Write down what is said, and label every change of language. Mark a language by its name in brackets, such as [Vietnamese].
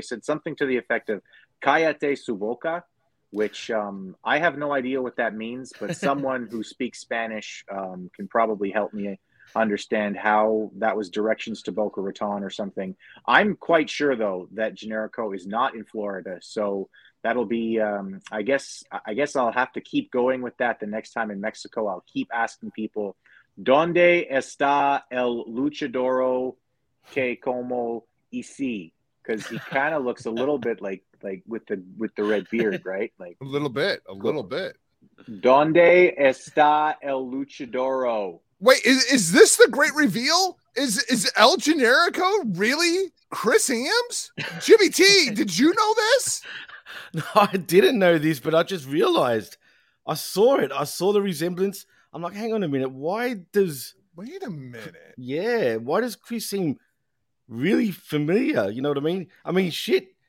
[English] They said something to the effect of [Spanish] cállate su boca. [English] Which I have no idea what that means, but someone who speaks Spanish can probably help me understand how that was directions to Boca Raton or something. I'm quite sure, though, that Generico is not in Florida. So that'll be, I guess I'll have to keep going with that the next time in Mexico. I'll keep asking people, [Spanish] ¿Dónde está el luchadoro que como ici? [English] Because he kind of looks a little bit like with the red beard, right? Like a little bit. [Spanish] ¿Dónde está el luchadoro? [English] Wait, is this the great reveal? Is El Generico really Chris Ames? Jimmy T, did you know this? No, I didn't know this, but I just realized. I saw it. I saw the resemblance. I'm like, hang on a minute. Why does Chris seem really familiar? You know what I mean? I mean, shit.